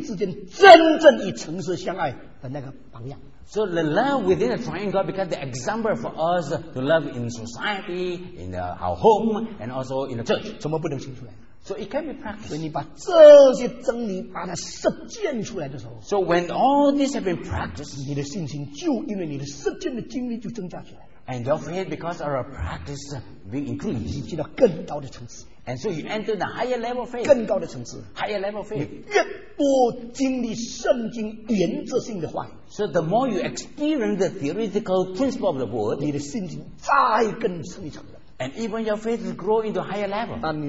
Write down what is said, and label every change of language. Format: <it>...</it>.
<zh>圣父爱圣子，圣子爱圣灵，圣灵爱圣父，圣灵爱圣子，圣子爱圣父。这三位之间彼此相爱，就变成我们社交生活、我们肢体生活、我们兄弟之间真正以诚实相爱的那个榜样。</zh> <en>So the love within the triune God becomes the example for us to love in society, in our home, and also in the church.</en> <zh>怎么不能行出来?</zh> <en>So it can be practiced.</en> <zh>所以你把这些真理把它实践出来的时候,</zh> <en>so when all this has been practiced,</en> <zh>你的信心就因为你的实践的经历就增加起来。</zh> <en>And your faith because of our practice being increased.</en> <zh>你进到更高的层次。</zh> <en>And so you enter the higher level of faith.</en> <zh>更高的层次。</zh> <en>Higher level of faith.</en> <zh>你越多经历圣经原则性的话语。</zh> <en>So the more you experience the theoretical principle of the word,</en> <zh>你的信心再更深一层了。</zh> <en>And even your faith is growing into a higher level.</en>